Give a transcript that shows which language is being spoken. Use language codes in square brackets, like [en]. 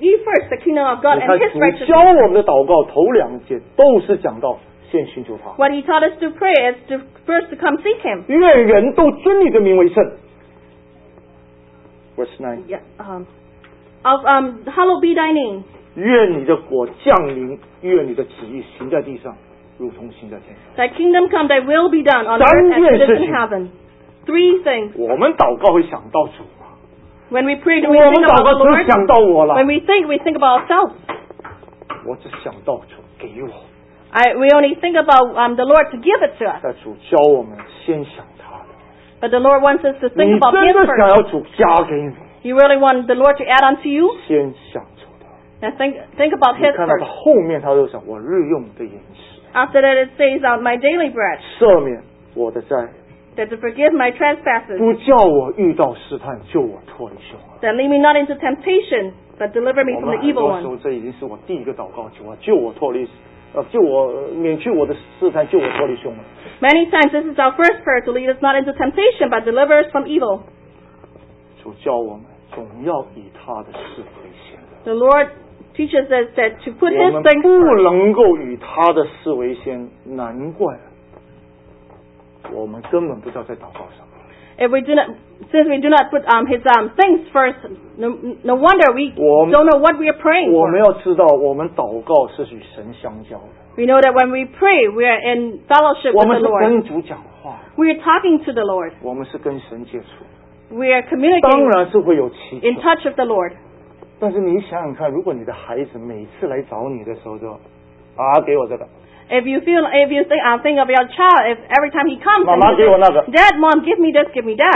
[en] verse 33 says, seek ye first the kingdom of God and his righteousness. What he taught us to pray is to first to come seek him. [zh] 愿人都尊你的名为圣, [en] verse 9, hallowed be thy name. [zh] 愿你的国降临, 愿你的旨意行在地上, 如同行在天上. [en] Thy kingdom come, thy will be done on earth as it is in heaven. Three things. [zh] 我们祷告会想到主, [en] when we pray, do we think about the Lord? When we think about ourselves. [zh] 我只想到主给我, [en] we only think about the Lord to give it to us. [zh] 但主教我们先想他的, [en] but the Lord wants us to think about him first. [zh] 你真的想要主加给你, [en] you really want the Lord to add on to you? [zh] 先想主的, [en] and think about his first. [zh] 你看到他后面他就想, 我日用的饮食, [en] after that it says my daily bread. [zh] 赦免我的债, [en] that to forgive my trespasses. [zh] 不叫我遇到试探, [en] that lead me not into temptation, but deliver me from the evil one. [zh] 我们很多时候这已经是我第一个祷告求啊, 救我脱离, 救我, 免去我的试探, 救我脱离凶恶。 [en] Many times this is our first prayer, to lead us not into temptation, but deliver us from evil. [zh] 主教我们, 总要以他的事为先, [en] the Lord teaches us that to put his things first. [zh] 我们不能够以他的事为先, 难怪, 我们根本不知道在祷告上。 [en] If we do not, since we do not put his things first, no wonder we don't know what we are praying for. [zh] 我们要知道我们祷告是与神相交的。 [en] We know that when we pray, we are in fellowship with the Lord. [zh] 我们是跟主讲话。 [en] We are talking to the Lord. [zh] 我们是跟神接触。 [en] We are communicating. [zh] 当然是会有祈求。 [en] In touch with the Lord. [zh] 但是你想想看, 如果你的孩子每次来找你的时候就, 啊, 给我这个。 [en] If you think of your child, if every time he comes, Dad, Mom, give me this, give me that.